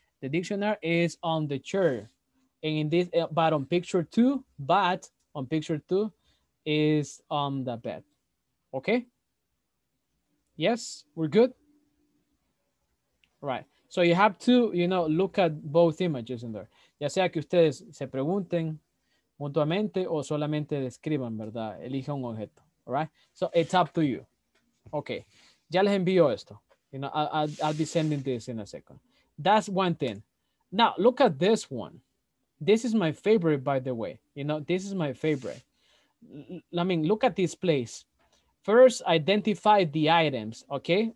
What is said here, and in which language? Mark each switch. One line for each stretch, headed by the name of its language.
English: The dictionary is on the chair. And in this, but on picture two, but on picture two is on the bed. Okay? Yes, we're good? Right. So you have to, you know, look at both images in there.
Spanish: Ya sea que ustedes se pregunten mutuamente o solamente describan, ¿verdad? Elija un objeto.
English: All right? So it's up to you. Okay.
Spanish: Ya les envío esto.
English: You know, I'll be sending this in a second. That's one thing. Now, look at this one. This is my favorite, by the way. You know, this is my favorite. I mean, look at this place. First, identify the items, okay?